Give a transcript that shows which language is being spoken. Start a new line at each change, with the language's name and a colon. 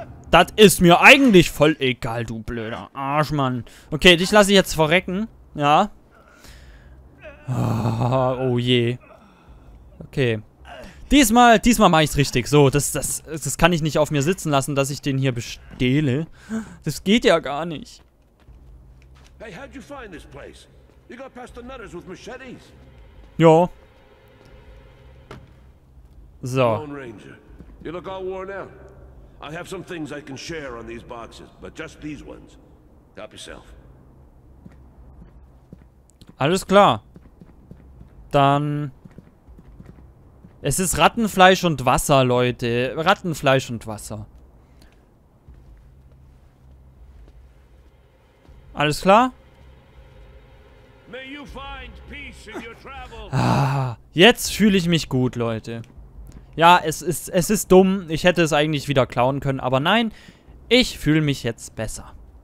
German: Das ist mir eigentlich voll egal, du blöder Arschmann. Okay, dich lasse ich jetzt verrecken. Ja. Oh je. Okay. Diesmal mache ich es richtig. So, das kann ich nicht auf mir sitzen lassen, dass ich den hier bestehle. Das geht ja gar nicht.
English: Hey, how'd you find this place? You got past the nutters with machetes. Jo. So. Lone Ranger, you look all worn out. I have some things I can share on these boxes, but just these ones. Help yourself.
German: Alles klar. Dann, es ist Rattenfleisch und Wasser, Leute. Rattenfleisch und Wasser. Alles klar?
English: May you find peace in your travels.
German: Ah, jetzt fühle ich mich gut, Leute. Ja, es ist dumm. Ich hätte es eigentlich wieder klauen können. Aber nein, Ich fühle mich jetzt besser.